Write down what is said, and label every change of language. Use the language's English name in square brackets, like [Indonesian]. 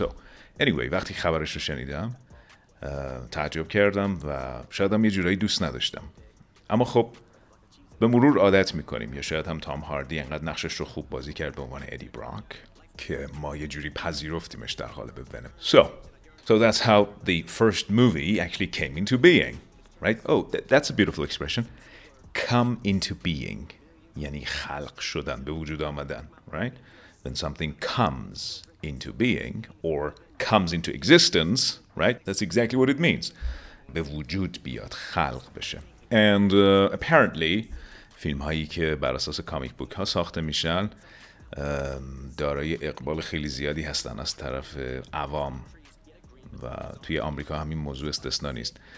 [English] So, anyway, [Persian] وقتی خبرش رو شنیدم تعجب کردم و شاید هم یه جورایی دوست نداشتم, اما خب به مرور عادت میکنیم, یا شاید هم تام هاردی انقدر نقشش رو خوب بازی کرد به عنوان ادی براک که ما یه جوری پذیرفتیمش در قالب ونم. [English] So that's how the first movie actually came into being, right? That's a beautiful expression. Come into being [Persian] یعنی خلق شدن, به وجود آمدن, [English] right? When something comes into being or comes into existence, right? That's exactly what it means. [Persian] به وجود بیاد, خلق بشه. [English] And apparently [Persian] فیلم هایی که بر اساس کامیک بوک ها ساخته میشن دارای اقبال خیلی زیادی هستن از طرف عوام و توی آمریکا همین موضوع استثنا نیست.